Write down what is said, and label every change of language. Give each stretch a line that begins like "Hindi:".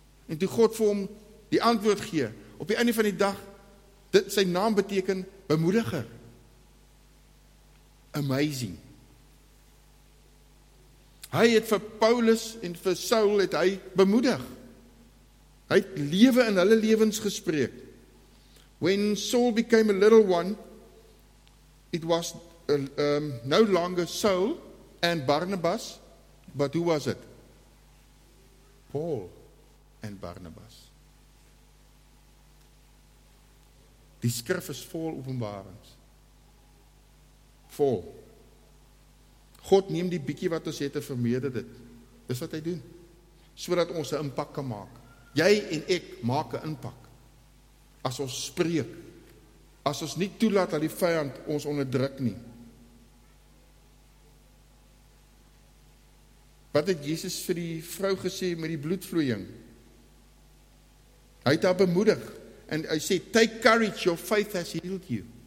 Afrikaans: En toe God vir hom die antwoord gee, op die einde van die dag, dit sy naam beteken bemoediger.
English: Amazing.
Afrikaans: Hy het vir Paulus en vir Saul het hy bemoedig. Hy het lewe in hulle lewens gespreek.
English: When Saul became a little one, it was no longer Saul and Barnabas, but who was it? Paul and Barnabas.
Afrikaans: Die skrif is vol openbarings. Vol. God neem die bietjie wat ons het en vermeerder dit. Dis wat hy doen. Sodat ons 'n impak kan maak. Jy en ek maak 'n impak. As ons spreek. As ons nie toelaat dat die vyand ons onderdruk nie. Wat het Jesus vir die vrou gesê met die bloedvloeiing? Hy het haar bemoedig. En hy sê,
English: take courage, your faith has healed you.